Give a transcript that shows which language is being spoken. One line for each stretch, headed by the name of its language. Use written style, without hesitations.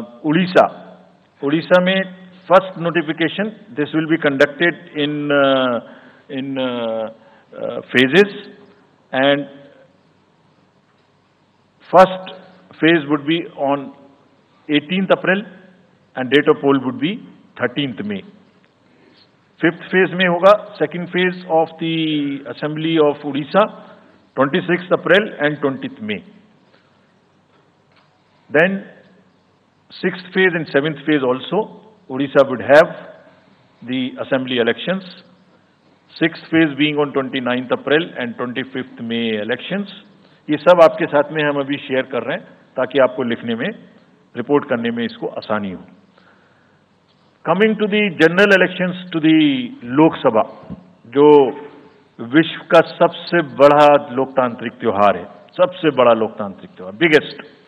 English: उड़ीसा में first notification, this will be conducted in phases and first phase would be on 18th April and date of poll would be 13th May. Fifth phase
Hindi: mein hoga,
English: second phase of the assembly of Odisha, 26th April and 20th May. Then, sixth phase and seventh phase also, Odisha would have the assembly elections. Sixth phase being on 29th April and 25th May elections.
Hindi: ये सब आपके साथ में हम अभी share कर रहे हैं ताकि आपको लिखने में रिपोर्ट करने में इसको आसानी हो.
English: coming to the general elections to the
Hindi: Lok Sabha जो विश्व का सबसे बड़ा लोकतांत्रिक त्यौहार है, सबसे बड़ा लोकतांत्रिक त्यौहार, बिगेस्ट.